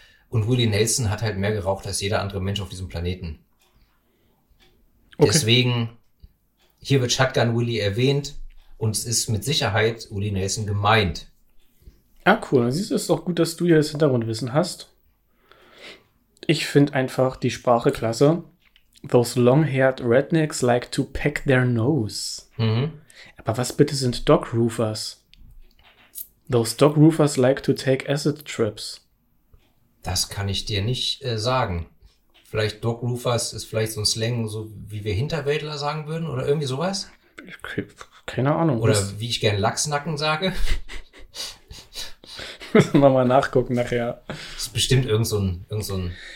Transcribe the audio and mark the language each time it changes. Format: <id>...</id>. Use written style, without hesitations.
<de>Und Willie Nelson hat halt mehr geraucht als jeder andere Mensch auf diesem Planeten. Okay. Deswegen, hier wird Shotgun Willie erwähnt und es ist mit Sicherheit Willie Nelson gemeint. Ja, cool. Siehst du, es ist doch gut, dass du hier das Hintergrundwissen hast. Ich finde einfach die Sprache klasse.</de> <en>Those long-haired rednecks like to peck their nose. Mhm.</en> <de>Aber was bitte sind Dog Roofers?</de> <en>Those Dog Roofers like to take acid trips.</en> <de>Das kann ich dir nicht sagen. Vielleicht Dog Roofers ist vielleicht so ein Slang, so wie wir Hinterwäldler sagen würden oder irgendwie sowas. Keine Ahnung. Oder wie ich gerne Lachsnacken sage. Müssen wir mal nachgucken nachher. Das ist bestimmt irgend so ein</de>